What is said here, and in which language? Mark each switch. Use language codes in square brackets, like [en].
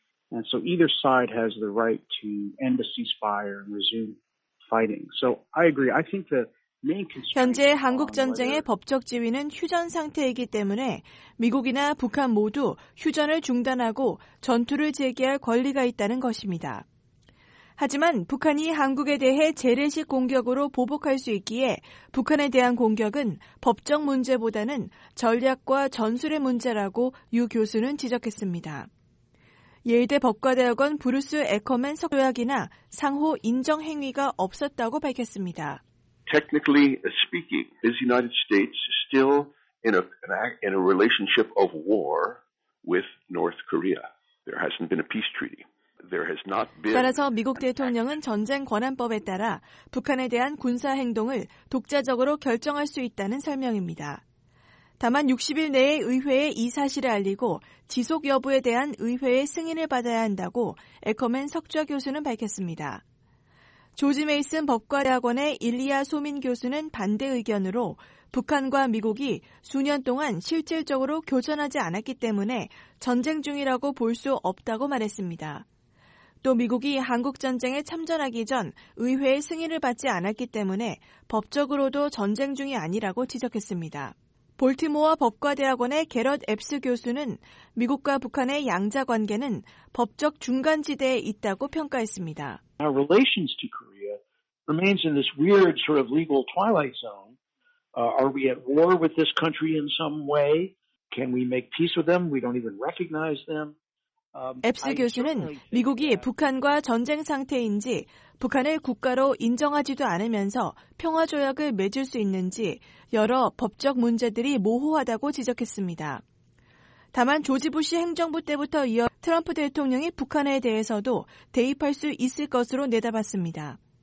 [en] And so either side has the right to end the ceasefire and resume fighting. So I agree. I think the [ko] 현재 한국전쟁의 법적 지위는 휴전 상태이기 때문에 미국이나 북한 모두 휴전을 중단하고 전투를 재개할 권리가 있다는 것입니다. 하지만 북한이 한국에 대해 재래식 공격으로 보복할 수 있기에 북한에 대한 공격은 법적 문제보다는 전략과 전술의 문제라고 유 교수는 지적했습니다. 예일대 법과대학원 브루스 에커맨 석좌학이나 상호 인정 행위가 없었다고 밝혔습니다. [en] Technically speaking, is the United States still in a relationship of war with North Korea? There hasn't been a peace treaty. There has not been. [ko] 따라서 미국 대통령은 전쟁 권한법에 따라 북한에 대한 군사 행동을 독자적으로 결정할 수 있다는 설명입니다. 다만 60일 내에 의회에 이 사실을 알리고 지속 여부에 대한 의회의 승인을 받아야 한다고 에커맨 석좌 교수는 밝혔습니다. 조지 메이슨 법과대학원의 일리아 소민 교수는 반대 의견으로 북한과 미국이 수년 동안 실질적으로 교전하지 않았기 때문에 전쟁 중이라고 볼 수 없다고 말했습니다. 또 미국이 한국전쟁에 참전하기 전 의회의 승인을 받지 않았기 때문에 법적으로도 전쟁 중이 아니라고 지적했습니다. 볼티모어 법과대학원의 게럿 앱스 교수는 미국과 북한의 양자 관계는 법적 중간지대에 있다고 평가했습니다. [en] Our relations to Korea remains in this weird sort of legal twilight zone. Are we at war with this country in some way? Can we make peace with them? We don't even recognize them. [ko] 앱스 교수는 미국이 북한과 전쟁 상태인지 북한을 국가로 인정하지도 않으면서 평화조약을 맺을 수 있는지 여러 법적 문제들이 모호하다고 지적했습니다. 다만 조지 부시 행정부 때부터 이어 트럼프 대통령이 북한에 대해서도 대입할 수 있을 것으로 내다봤습니다.